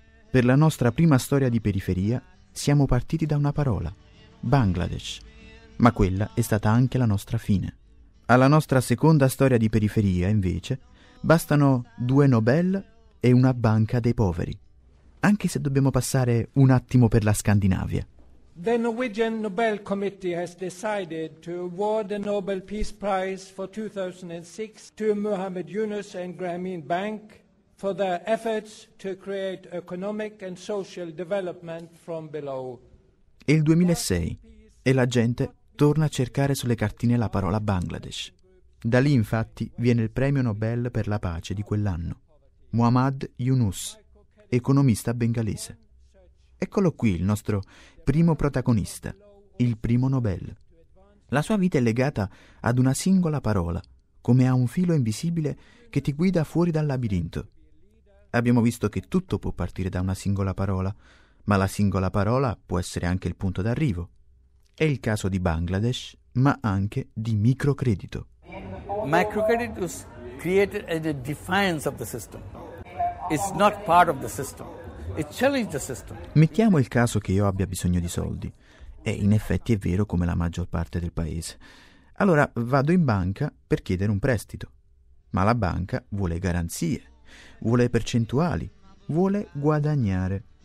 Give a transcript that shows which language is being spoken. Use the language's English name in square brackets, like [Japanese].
[Italian] Per la nostra prima storia di periferia siamo partiti da una parola, Bangladesh, ma quella è stata anche la nostra fine. Alla nostra seconda storia di periferia, invece, bastano due Nobel e una banca dei poveri, anche se dobbiamo passare un attimo per la Scandinavia. [English] The Norwegian Nobel Committee has decided to award the Nobel Peace Prize for 2006 to Muhammad Yunus and Grameen Bank for their efforts to create economic and social development from below. [Italian] È il 2006 e la gente torna a cercare sulle cartine la parola Bangladesh. Da lì, infatti, viene il premio Nobel per la pace di quell'anno, Muhammad Yunus, economista bengalese. Eccolo qui il nostro primo protagonista, il primo Nobel. La sua vita è legata ad una singola parola, come a un filo invisibile che ti guida fuori dal labirinto. Abbiamo visto che tutto può partire da una singola parola, ma la singola parola può essere anche il punto d'arrivo. È il caso di Bangladesh, ma anche di microcredito. [English] Microcredit was created as a defiance of the system. It's not part of the system. It challenged the system. [Italian] Mettiamo il caso che io abbia bisogno di soldi. E in effetti è vero come la maggior parte del paese. Allora vado in banca per chiedere un prestito. Ma la banca vuole garanzie, vuole percentuali, vuole guadagnare.